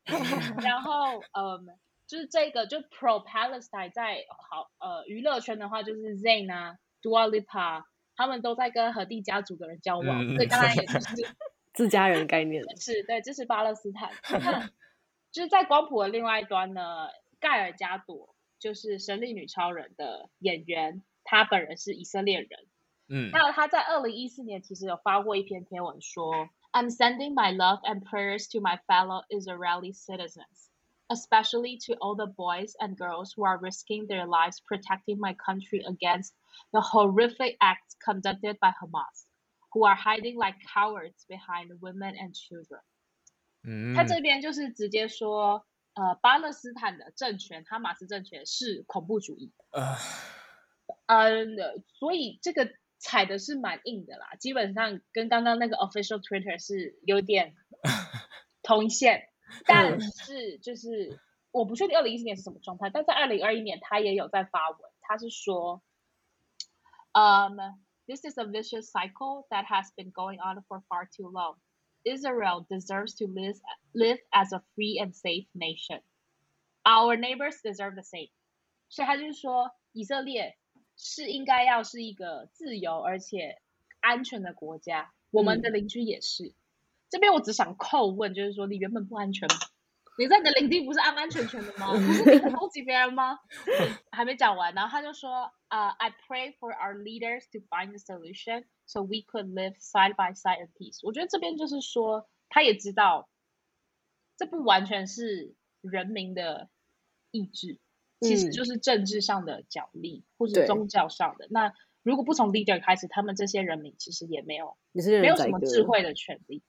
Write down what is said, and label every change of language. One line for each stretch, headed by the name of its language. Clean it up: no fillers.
Chinese: 然后就是这个就 pro Palestine 在娱乐圈的话就是 Zayn 啊Dua Lipa， 他们都在跟何地家族的人交往，所以当然也就是自家人概念了。是，对，这是巴勒斯坦。就是在光谱的另外一端呢，盖尔加朵就是神力女超人的演员，他本人是以色列人。那他在2014年其实有发过一篇贴文说
English: I'm sending my love and prayers to my fellow Israeli citizens, especially to all the boys and girls who are risking their lives protecting my country againsthe horrific acts conducted by Hamas, who are hiding like cowards behind women and children.、
Chinese: 他这边就是直接说巴勒斯坦的政权哈马斯政权是恐怖主义的。所以这个踩的是蛮硬的啦，基本上跟刚刚那个 official Twitter 是有点同一线。但是就是我不确定2014年是什么状态，但在2021年他也有在发文，他是说
English: This is a vicious cycle that has been going on for far too long. Israel deserves to live as a free and safe nation. Our neighbors deserve the same.
Chinese: 所以他就是说以色列是应该要是一个自由而且安全的国家，我们的邻居也是。这边我只想叩问，就是说你原本不安全吗？你在你的领地不是安安全全的吗？不是你攻击别人吗？还没讲完，然后他就说
English: I pray for our leaders to find a solution so we could live side by side in peace.
Chinese: 我觉得这边就是说他也知道这不完全是人民的意志，其实就是政治上的角力，或是宗教上的。那如果不从 leader 开始，他们这些人民其实也没有没有什么智慧的权利。